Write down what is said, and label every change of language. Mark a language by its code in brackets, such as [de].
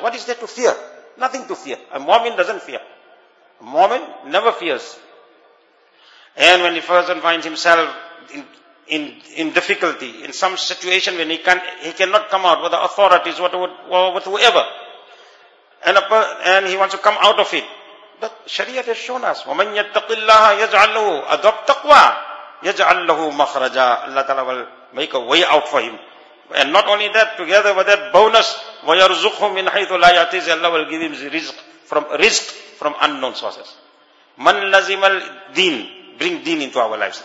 [en] What is there to fear? Nothing to fear. A mu'min doesn't fear. A mu'min never fears. And when the person finds himself in difficulty, in some situation when he cannot come out with the authorities, whatever, and he wants to come out of it, But Sharia has shown us, [ar] وَمَنْ يَتَّقِ اللَّهَ يَجْعَلْ لَهُ [en] adopt taqwa, [ar] يَجْعَلْ لَهُ مَخْرَجًا. [en] Allah Ta'ala will make a way out for him. And not only that, together with that bonus, [ar] وَيَرْزُقْهُ مِنْ حَيْثُ لَا يَعْتِزِ. [en] Allah will give him risk from unknown sources. [ar] مَنْ لَزِمَ الدِّينِ. [en] Bring deen into our lives.